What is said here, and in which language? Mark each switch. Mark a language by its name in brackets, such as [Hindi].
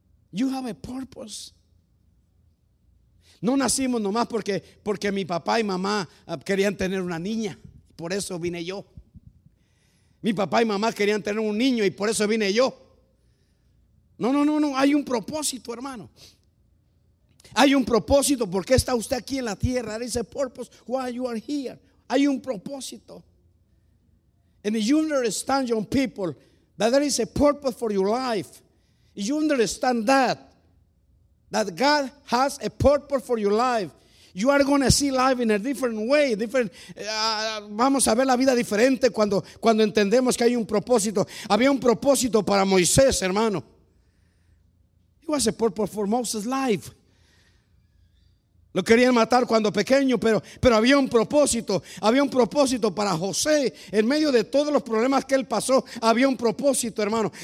[English] You have a purpose. [Spanish] No nacimos nomás porque mi papá y mamá querían tener una niña, por eso vine yo. Mi papá y mamá querían tener un niño y por eso vine yo. No, hay un propósito, hermano. Hay un propósito. ¿Por qué está usted aquí en la tierra? [English] There is a purpose why you are here. [Spanish] Hay un propósito. [English] And you understand, young people, that there is a purpose for your life. You understand that. That God has a purpose for your life. You are going to see life in a different way. [Spanish] Vamos a ver la vida diferente cuando entendemos que hay un propósito. Había un propósito para Moisés, hermano. [English] It was a purpose for Moses' life. [Spanish] Lo querían matar cuando pequeño, pero había un propósito. Había un propósito para José. En medio de todos los problemas que él pasó, había un propósito, hermano.